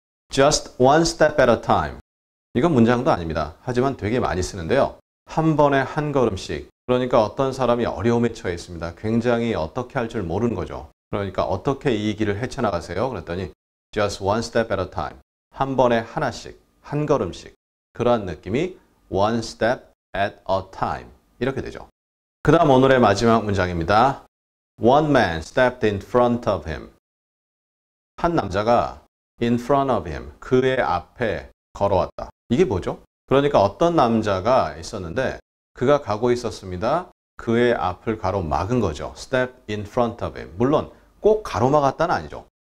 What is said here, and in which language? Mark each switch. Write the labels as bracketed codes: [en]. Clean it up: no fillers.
[en] Just one step at a time. [ko] 이건 문장도 아닙니다. 하지만 되게 많이 쓰는데요. 한 번에 한 걸음씩. 그러니까 어떤 사람이 어려움에 처해 있습니다. 굉장히 어떻게 할 줄 모르는 거죠. 그러니까 어떻게 이 길을 헤쳐나가세요? [en] 그랬더니 Just one step at a time. [ko] 한 번에 하나씩, 한 걸음씩. 그러한 느낌이 [en] one step at a time. [ko] 이렇게 되죠. 그 다음 오늘의 마지막 문장입니다. [en] One man stepped in front of him. [ko] 한 남자가 [en] in front of him, [ko] 그의 앞에 걸어왔다. 이게 뭐죠? 그러니까 어떤 남자가 있었는데 그가 가고 있었습니다. 그의 앞을 가로막은 거죠. [en] Step in front of him. [ko] 물론 꼭 가로막았다는 아니죠.